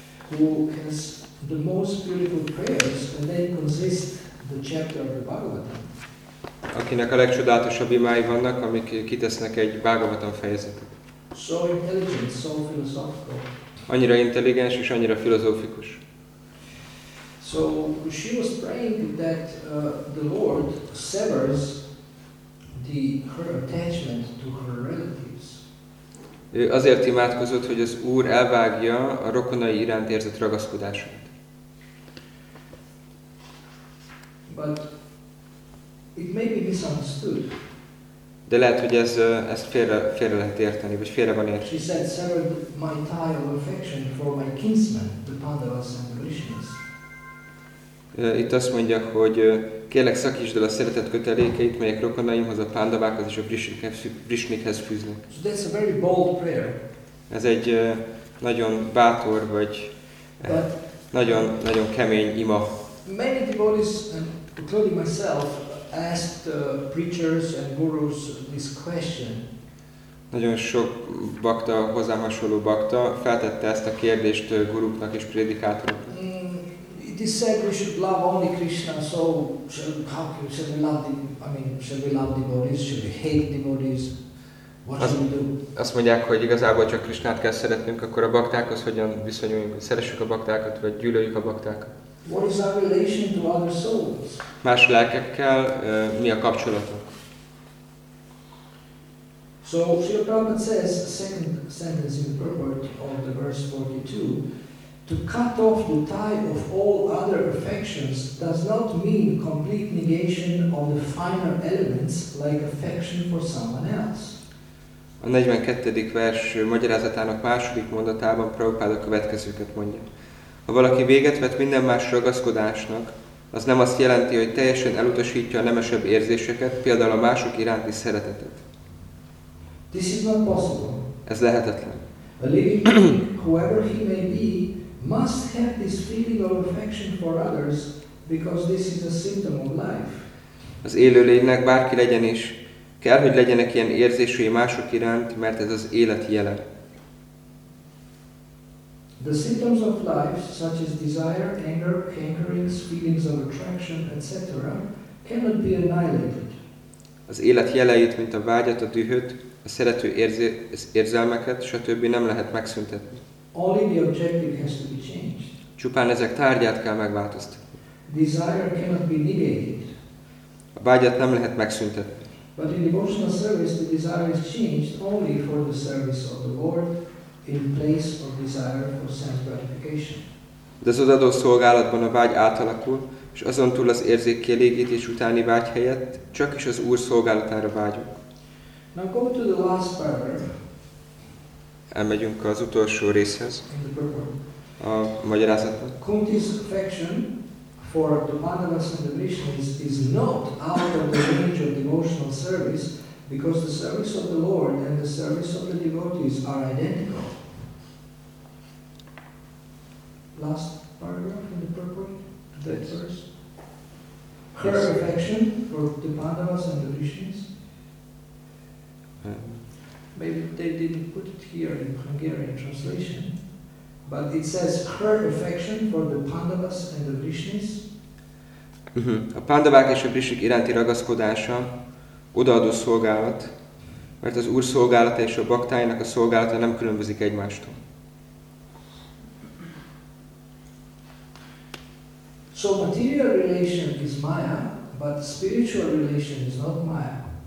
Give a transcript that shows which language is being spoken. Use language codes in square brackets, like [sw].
[en] Who has the most beautiful prayers and they consist the chapter of the Bhagavatam. [hu] Akinek a legcsodálatosabb imái vannak, amik kitesznek egy Bhagavatam fejezetet. [en] So intelligent, so philosophical. [hu] Annyira intelligens és annyira filozófikus. [en] So she was praying that the Lord severs her attachment to her relatives. [hu] Ő azért imádkozott, hogy az Úr elvágja a rokonai iránt érzett ragaszkodását. [en] But it may be misunderstood. [hu] De lehet, hogy ezt félre lehet érteni, vagy félre van értve. [en] She said, "Severed my tie of affection for my kinsmen, the Pandavas and the Rishis." [hu] Itt azt mondja, hogy kérlek szakítsd el a szeretet kötelékeit, melyek rokonaimhoz, a Pandavákhoz és a Rishikhez fűznek. [en] So that's a very bold prayer. [hu] Ez egy nagyon bátor vagy nagyon kemény ima. [en] Many devotees, including myself, asked preachers and gurus this question. [hu] Nagyon sok bakta, hozzám hasonló bakta feltette ezt a kérdést guruknak és prédikátoroknak. [en] It is said we should love only Krishna, so shall we love the, shall we love devotees, shall we hate devotees? [hu] Azt mondják, hogy igazából csak Krisnát kell szeretnünk, akkor a baktákhoz hogyan viszonyuljunk? Szeressük a baktákat, vagy gyűlöljük a baktákat? [en] What is our relation to other souls? [hu] Más lelkekkel mi a kapcsolatunk? [en] So Srila Prabhupada says, second sentence in Purport of the verse 42, to cut off the tie of all other affections does not mean complete negation of the finer elements like affection for someone else. [hu] A 42. vers magyarázatának második mondatában Prabhupád a következőket mondja. Ha valaki véget vet minden más ragaszkodásnak, az nem azt jelenti, hogy teljesen elutasítja a nemesebb érzéseket, például a mások iránti szeretetet. [en] This is not possible. [hu] Ez lehetetlen. [en] A living being, whoever he may be, must have this feeling of affection for others, because this is a symptom of life. [hu] Az élőlénynek bárki legyen is, kell, hogy legyenek ilyen érzései mások iránt, mert ez az élet jele. [en] The symptoms of life, such as desire, anger, hankerings, feelings of attraction, etc., cannot be annihilated. [hu] Az élet jeleit, mint a vágyat, a dühöt, a szerető érzelmeket, stb. Nem lehet megszüntetni. [en] Only the objective has to be changed. [hu] Csupán ezek tárgyát kell megváltoztatni. [en] Desire cannot be negated. [hu] A vágyat nem lehet megszüntetni. [en] But in devotional service, the desire is changed only for the service of the Lord, in place of desire for sense gratification. [hu] De az odaadó szolgálatban a vágy átalakul, és azon túl az érzékkielégítés utáni vágy helyett csak is az Úr szolgálatára vágyunk. [en] Now go to the last paragraph. [hu] Elmegyünk az utolsó részhez. [en] In the purport. [hu] A magyarázatban. [en] Kunti's affection for the Madhavas and the Vrishnis is not out of the range of devotional service, because the service of the Lord and the service of the devotees are identical. Last paragraph in the purport, verse. Her affection for the Madhavas and the Vrishnis. Maybe they didn't put it here in Hungarian translation. But it says her affection for the Pandavas and the Vrishnis. [hu] A Pandavák és a Vrishnik iránti ragaszkodása, odaadó szolgálat, mert az Úr szolgálata és a baktáinak a szolgálata nem különbözik egymástól. [en] So material relation is maya, but spiritual relation is not maya.